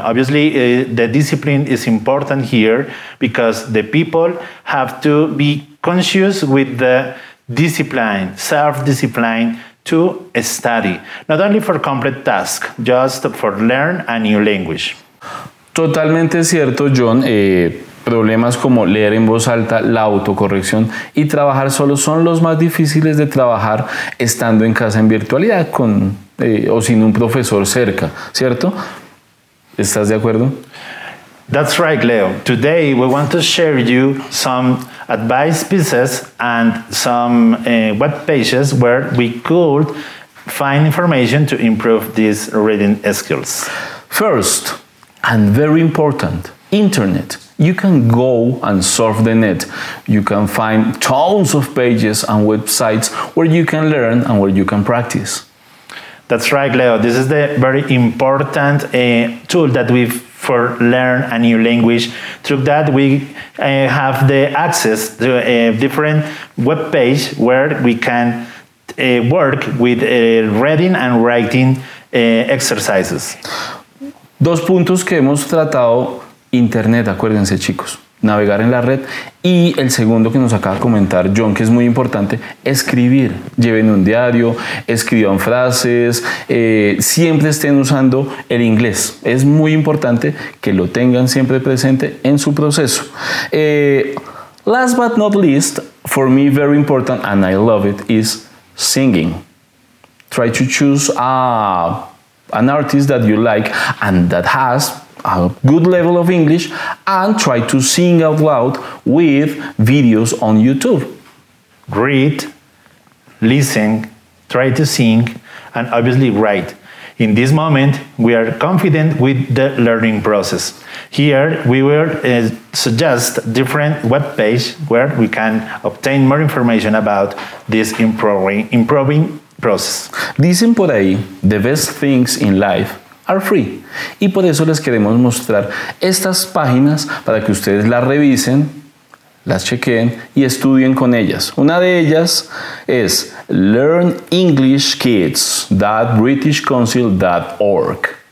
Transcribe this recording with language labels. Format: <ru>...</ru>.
<en>Obviously, the discipline is important here because the people have to be conscious with the discipline, self-discipline to study, not only for complete task, just for learn a new language.</en> <es>Totalmente cierto, John. Problemas como leer en voz alta, la autocorrección y trabajar solo son los más difíciles de trabajar estando en casa en virtualidad con o sin un profesor cerca, ¿cierto? ¿Estás de acuerdo?</es> <en>That's right, Leo. Today we want to share you some advice pieces and some web pages where we could find information to improve these reading skills. First, and very important, internet. You can go and surf the net. You can find tons of pages and websites where you can learn and where you can practice. That's right, Leo. This is the very important tool that we've for learn a new language. Through that, we have the access to a different web page where we can work with reading and writing exercises.</en> <es>Dos puntos que hemos tratado, internet, acuérdense chicos, navegar en la red, y el segundo que nos acaba de comentar John, que es muy importante, escribir. Lleven un diario, escriban frases, siempre estén usando el inglés. Es muy importante que lo tengan siempre presente en su proceso.</es> <en>Last but not least, for me very important, and I love it, is singing. Try to choose an artist that you like and that has a good level of English, and try to sing out loud with videos on YouTube. Read, listen, try to sing, and obviously write. In this moment, we are confident with the learning process. Here, we will suggest different web pages where we can obtain more information about this improving process.</en> <es>Dicen por ahí,</es> <en>the best things in life are free.</en> <es>Y por eso les queremos mostrar estas páginas para que ustedes las revisen, las chequen y estudien con ellas. Una de ellas es learnenglishkids.britishcouncil.org.</es>